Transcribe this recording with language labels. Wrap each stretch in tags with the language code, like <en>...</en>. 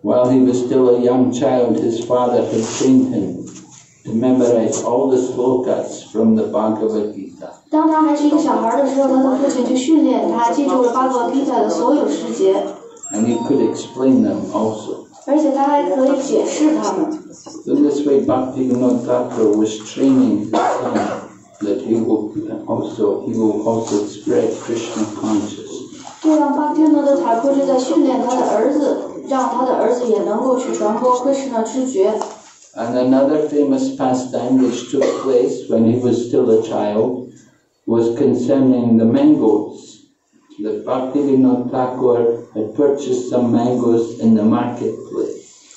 <en>he was still a young child, his father had trained him to memorize all the slokas from the Bhagavad Gita.</en> <zh>当他还是一个小孩的时候，他的父亲就训练他记住了巴格瓦吉塔的所有诗节。</zh> <en>And he could explain them also.</en> <zh>而且他还可以解释他们。</zh> <en>In this way, Bhakti Vinodhaka was training his son that he will also spread Krishna consciousness.</en> <zh>这样，巴提诺的塔库就在训练他的儿子，让他的儿子也能够去传播Krishna知觉。</zh> <en>And another famous pastime which took place when he was still a child was concerning the mangoes. That Bhaktivinoda Thakur had purchased some mangoes in the marketplace.</en>